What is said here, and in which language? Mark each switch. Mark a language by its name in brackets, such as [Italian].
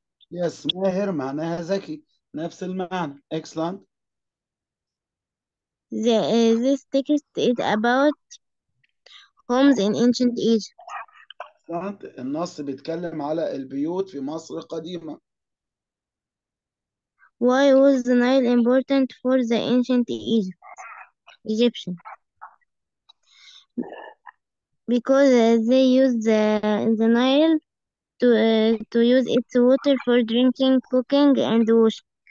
[Arabic] Yes, ماهر معناها ذكي, نفس المعنى. [English] Excellent. This text is about homes in ancient Egypt. Excellent. [Arabic] النص بيتكلم على البيوت في مصر القديمة. [English] Why was the Nile important for the ancient Egyptian? Because they used the Nile to use its water for drinking, cooking, and washing.